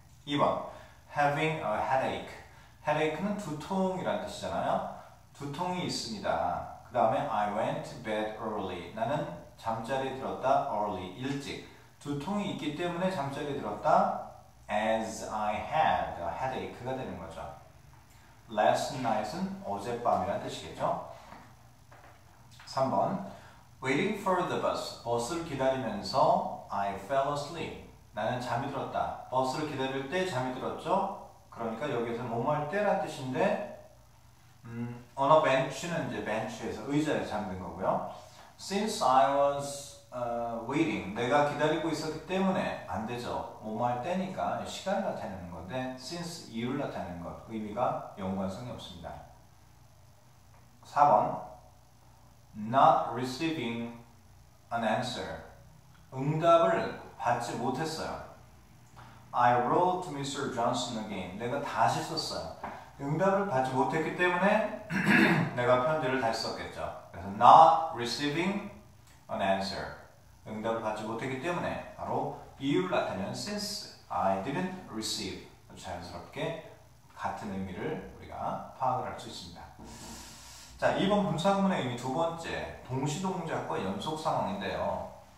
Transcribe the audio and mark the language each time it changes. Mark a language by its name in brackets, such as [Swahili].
[English] 2번, having a headache. [Korean] headache는 두통이라는 뜻이잖아요. 두통이 있습니다. 그 다음에 [English] I went to bed early. [Korean] 나는 잠자리에 들었다. early, 일찍. 두통이 있기 때문에 잠자리에 들었다. [English] as I had a headache가 [Korean] 되는 거죠. last night은 어젯밤이라는 뜻이겠죠. [English] 3번, Waiting for the bus. [Korean] 버스를 기다리면서 [English] I fell asleep. [Korean] 나는 잠이 들었다. 버스를 기다릴 때 잠이 들었죠? 그러니까 여기에서 뭐뭐 할 때란 뜻인데, on a bench는 이제 벤치에서 의자에 잠든 거고요. [English] Since I was waiting. [Korean] 내가 기다리고 있었기 때문에 안 되죠. 뭐뭐 할 때니까 시간을 나타내는 건데, since 이유를 나타내는 것. 의미가 연관성이 없습니다. 4번. [English] Not receiving an answer. [Korean] 응답을 받지 못했어요. [English] I wrote to Mr. Johnson again. [Korean] 내가 다시 썼어요. 응답을 받지 못했기 때문에 내가 편지를 다시 썼겠죠. 그래서 [English] not receiving an answer. [Korean] 응답을 받지 못했기 때문에 바로 이유를 나타내는 [English] since I didn't receive. [Korean] 자연스럽게 같은 의미를 우리가 파악을 할수 있습니다. 자, 2번 분사구문의 의미 두 번째, 동시동작과 연속 상황인데요.